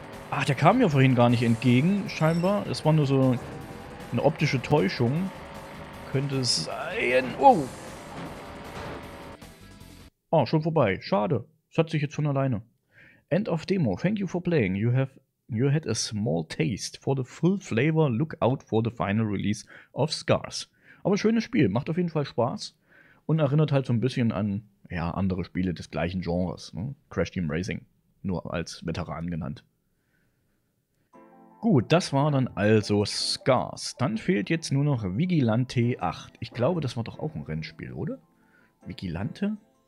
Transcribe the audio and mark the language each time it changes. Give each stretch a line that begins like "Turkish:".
German: Ach, der kam mir vorhin gar nicht entgegen, scheinbar. Das war nur so eine optische Täuschung. Könnte es sein. Oh. Oh, schon vorbei. Schade. Das hat sich jetzt schon alleine.
English: End of Demo. Thank you for playing. You had a small taste for the full flavor. Look out for the final release of Scars.
German: Aber schönes Spiel. Macht auf jeden Fall Spaß. Und erinnert halt so ein bisschen an ja, andere Spiele des gleichen Genres. Ne? Crash Team Racing. Nur als Veteran genannt. Gut, das war dann also Scars. Dann fehlt jetzt nur noch Vigilante 8. Ich glaube, das war doch auch ein Rennspiel, oder? Vigilante?